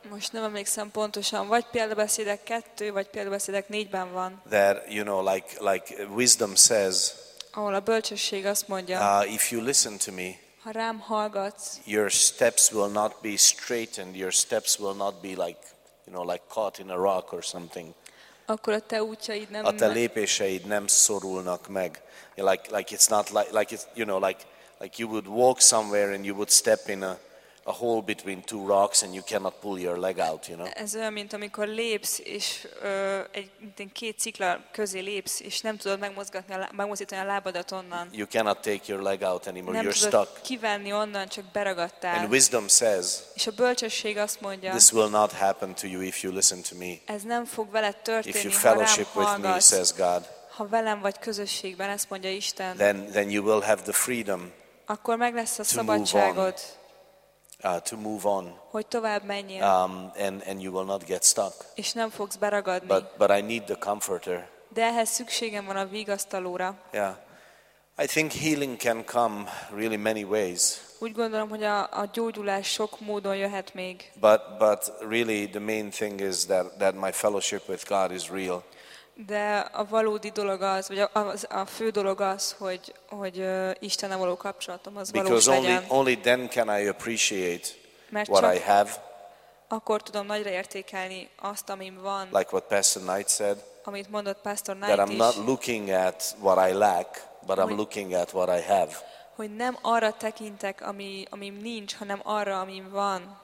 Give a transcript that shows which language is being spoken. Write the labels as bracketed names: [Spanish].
[Hungarian] Most nem emlékszem pontosan, vagy Példabeszédek 2 vagy Példabeszédek 4-ben van. [English] That you know like wisdom says. [Hungarian] Ahol a bölcsesség azt mondja. [English] If you listen to me. [Hungarian] Ha rám hallgatsz. [English] Your steps will not be straightened. Your steps will not be like, you know, like caught in a rock or something. [Hungarian] Akkor a te útjaid nem a te lépéseid nem szorulnak meg. [English] Like it's not like it's, you know, like you would walk somewhere and you would step in a hole between two rocks and you cannot pull your leg out, you know. [Hungarian] Ez olyan, mint amikor lépsz és két cikla közé lépsz és nem tudod megmozdítani a lábadat onnan. [English] You cannot take your leg out anymore. you're [Hungarian] tudod [English] stuck. [Hungarian] Kivenni onnan, csak beragadtál. [English] And wisdom says. [Hungarian] És a bölcsesség azt mondja. [English] This will not happen to you if you listen to me. [Hungarian] Ez nem fog veled történni. [English] If you fellowship [Hungarian] ha rám [English] with me, says God. [Hungarian] Ha velem vagy közösségben, ezt mondja Isten. [English] Then you will have the freedom. [Hungarian] Akkor meg lesz a szabadságod. [English] To move on. [Hungarian] Hogy tovább menjél. [English] And you will not get stuck. [Hungarian] És nem fogsz beragadni. [English] But I need the comforter. [Hungarian] De ehhez szükségem van a vigasztalóra. [English] Yeah. I think healing can come really many ways. [Hungarian] Úgy gondolom, hogy a gyógyulás sok módon jöhet még. [English] But really the main thing is that my fellowship with God is real. [Hungarian] De a valódi dolog az, vagy a fő dolog az, hogy Istennel való kapcsolatom az valós legyen. [English] Because only then can I appreciate what I have. [Hungarian] Akkor tudom nagyra értékelni azt, amim van. [English] Like what Pastor Knight said. [Hungarian] Amit mondott Pastor Knight is. [English] That I'm not looking at what I lack, but I'm looking at what I have. [Hungarian] Hogy nem arra tekintek, amim nincs, hanem arra, amim van.